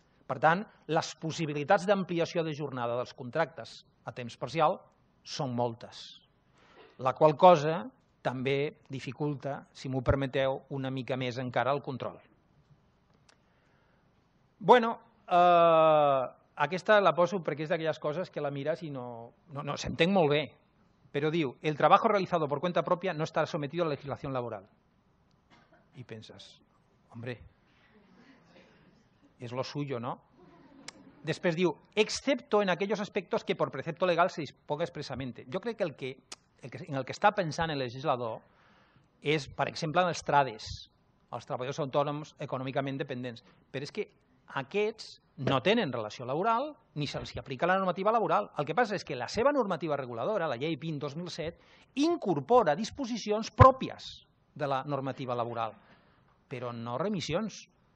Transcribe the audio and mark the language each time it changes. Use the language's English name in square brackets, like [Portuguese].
[Catalan] Per tant, les possibilitats d'ampliació de jornada dels contractes a temps parcial són moltes. La qual cosa també dificulta, si m'ho permeteu, una mica més encara el control. Aquesta la poso perquè és d'aquelles coses que la mires i no s'entén molt bé. Però diu, [Spanish] el trabajo realizado por cuenta propia no está sometido a la legislación laboral. [Catalan] I penses, [Spanish] hombre, es lo suyo, ¿no? [Catalan] Després diu, [Spanish] excepto en aquellos aspectos que por precepto legal se disponga expresamente. [Catalan] Jo crec que el que està pensant el legislador és, per exemple, en els TRADES, els treballadors autònoms econòmicament dependents. Però és que aquests no tenen relació laboral ni se'ls aplica la normativa laboral. El que passa és que la seva normativa reguladora, la llei 20/2007, incorpora disposicions pròpies de la normativa laboral, però no remissions.